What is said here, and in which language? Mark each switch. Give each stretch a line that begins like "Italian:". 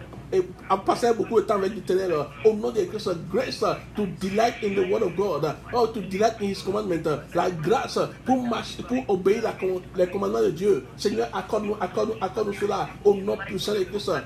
English: I'm passing
French: beaucoup de temps avec l'Éternel. Au nom de Christ,
English: grace to delight in the word of God, or to delight in his commandment.
French: La grâce pour marcher, pour obéir les commandements de Dieu. Seigneur, accorde-nous cela. Au nom puissant de Christ.